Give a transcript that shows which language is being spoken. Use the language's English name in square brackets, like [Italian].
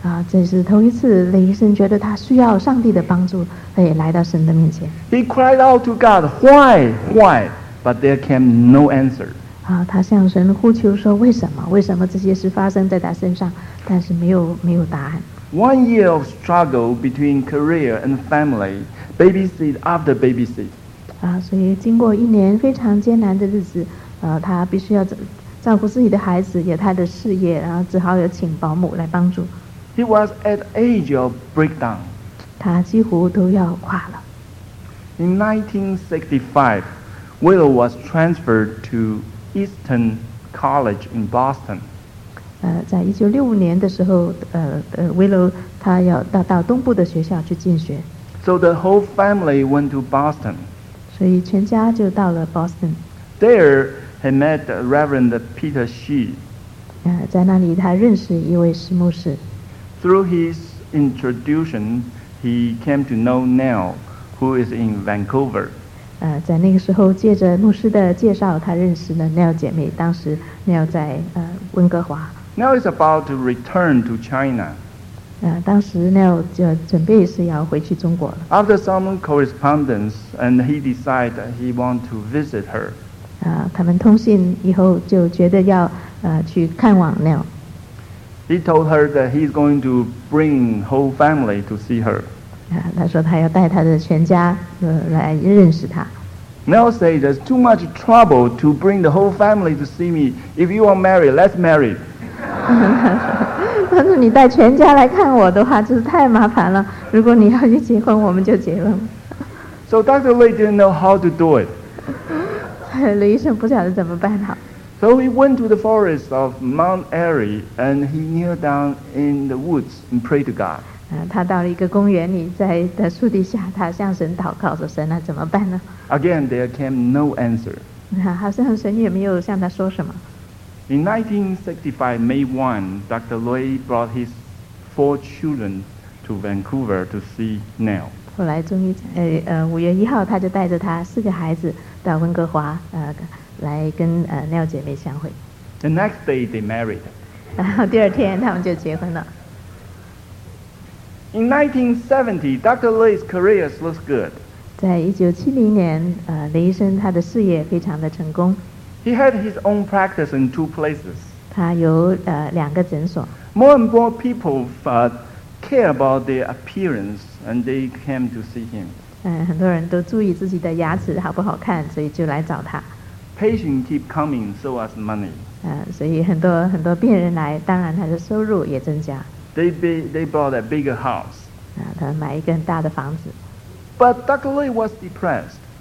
[Chinese] 这是头一次雷医生觉得他需要上帝的帮助，他也来到神的面前。 [English] He cried out to God, why, why? But there came no answer. [Chinese] 他向神呼求说为什么，为什么这些事发生在他身上，但是没有答案。 [English] 1 year of struggle between career and family, babysit after babysit. [Chinese] 所以经过一年非常艰难的日子，他必须要照顾自己的孩子，也他的事业，然后只好有请保姆来帮助。 [English] He was at age of breakdown. [Chinese] 他几乎都要垮了。 [English] In 1965, Willow was transferred to Eastern College in Boston. [Chinese] 在1965年的时候，Willow 他要到东部的学校去进学。 [English] So the whole family went to Boston. [Chinese] 所以全家就到了 Boston. [English] There he met Reverend Peter Shee. [Chinese] 在那里他认识一位师牧师。 [English] Through his introduction, he came to know Neil, who is in Vancouver. [Chinese] 在那个时候，借着牧师的介绍，他认识了 Neil 姐妹。当时 Neil 在温哥华。 [English] Neil is about to return to China. [Chinese] 当时 Neil 就准备是要回去中国了。 [English] After some correspondence, and he decided he wanted to visit her. [Chinese] 他们通信以后就觉得要去看望 Neil。 [English] He told her that he's going to bring whole family to see her. [Chinese] 他说他要带他的全家来认识他。 [English] Neil said, "There's too much trouble to bring the whole family to see me. If you are married, let's marry." [Chinese] 他说你带全家来看我的话，就是太麻烦了。如果你要去结婚，我们就结婚。 [English] So Dr. Lee didn't know how to do it. [Chinese] 刘医生不晓得怎么办好。 [English] So he went to the forest of Mount Airy and he kneeled down in the woods and prayed to God. [Chinese] 他到了一个公园里，在的树底下，他向神祷告，说神啊，怎么办呢？ [English] Again, there came no answer. [Chinese] 好像神也没有向他说什么。 [English] In 1965, May 1, Dr. Lui brought his 4 children to Vancouver to see Neil. [Chinese] 后来终于5月1号，他就带着他4个孩子到温哥华来跟Neil 姐妹相会。 [English] The next day they married. [Chinese] 然后第二天他们就结婚了。 [English] In 1970, Dr. Lee's career looks good. [Chinese] 在1970年，雷医生他的事业非常的成功。 [English] He had his own practice in 2 places. [Chinese] 他有2个诊所。 [English] More and more people care about their appearance, and they came to see him. [Chinese] 很多人都注意自己的牙齿好不好看，所以就来找他。 [English] Patients keep coming, so as money. [Chinese] 所以很多病人来，当然他的收入也增加。 [English] They bought a bigger house. [Chinese] 他买一个很大的房子。 [English] But Dr. Lee was depressed.